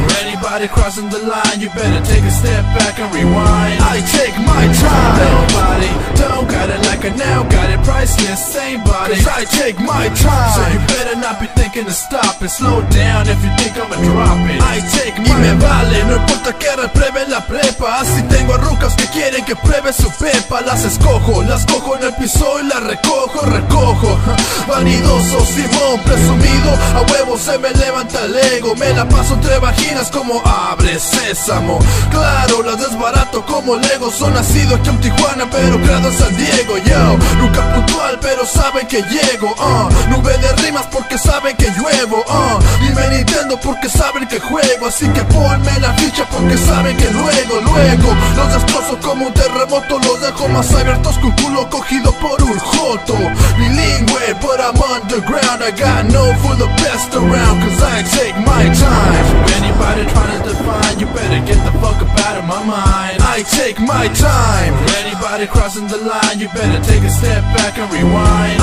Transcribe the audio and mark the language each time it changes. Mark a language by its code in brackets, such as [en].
[en] For anybody crossing the line, you better take a step back and rewind. I take my time. Nobody don't got it like a now, got it priceless, same body. Cause I take my time. So you better not be thinking to stop it, slow down if you think I'ma drop it. I take my time. [es] Y me vale, no importa que repruebe la prepa. Así tengo rucas que quieren que pruebe su pepa. Las escojo, las cojo en el piso y las recojo, recojo. Vanidoso, Simón, presumido, a huevo se me levanta el ego. Me la paso entre vaginas como abre sésamo. Claro, las desbarato como Lego. Son nacido aquí en Tijuana, pero creado en San Diego. Yo, nunca puntual, pero saben que llego. Nube de rimas porque saben que lluevo. Dime Nintendo porque saben que juego. Así que ponme la ficha porque saben que luego, luego los destrozo como un terremoto. Los dejo más abiertos que un culo cogido por un joto. Bilingüe, [en] but I'm underground, I got no for the best around, cause I take my time. So anybody trying to define, you better get the fuck up out of my mind. I take my time. For anybody crossing the line, you better take a step back and rewind.